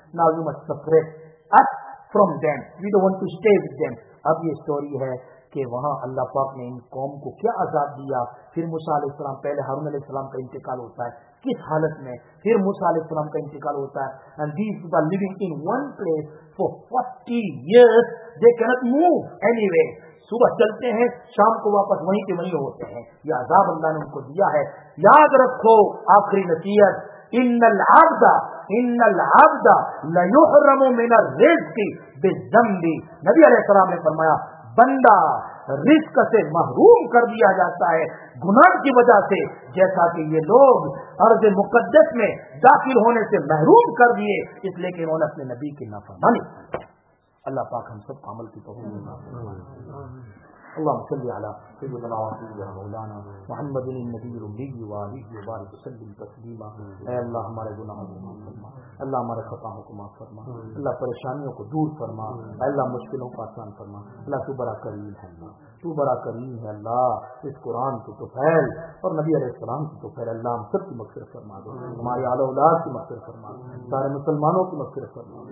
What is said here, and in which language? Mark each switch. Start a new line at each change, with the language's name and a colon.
English: Now you must separate us from them, we don't want to stay with them.
Urdu: اب یہ story ہے کہ وہاں اللہ پاک نے ان قوم کو کیا عذاب دیا. پھر موسیٰ علیہ السلام, پہلے ہارون علیہ السلام کا انتقال ہوتا ہے, کس حالت میں پھر موسیٰ علیہ السلام کا انتقال ہوتا ہے.
English: And these are living in one place for 40 years, they cannot move anyway.
Urdu: صبح چلتے ہیں, شام کو واپس وہیں کے وہیں ہوتے ہیں. یہ عذاب اللہ نے ان کو دیا ہے. یاد رکھو آخری نصیحت,
Arabic: ان العبد لیحرم من الرزق بالذنبی.
Urdu: نبی علیہ السلام نے فرمایا, بندہ رزق سے محروم کر دیا جاتا ہے گناہ کی وجہ سے, جیسا کہ یہ لوگ ارض مقدس میں داخل ہونے سے محروم کر دیے, اس لیے کہ انہوں نے اپنے نبی کی نافرمانی. اللہ پاک ہم سب عمل کی توفیق عطا فرمائے.
Arabic: اللهم صل على سيدنا وحبيبنا مولانا محمد النبي الامي وعلي وبارك وسلم تسليما.
Urdu: اے اللہ ہمارے گناہوں کو معاف فرما, اللہ ہمارے خطاؤں کو معاف فرما, اللہ پریشانیوں کو دور فرما, اللہ مشکلوں کو آسان فرما. اللہ تو بڑا کریم ہے, اللہ تو بڑا کریم ہے. اللہ اس قرآن کو تو پھیل اور نبی علیہ السلام کو تو پھیل. اللہ ہم سب کی مغفرت فرما دو, ہماری اعلی اولاد کی مغفرت فرما, سارے مسلمانوں کی مغفرت فرما.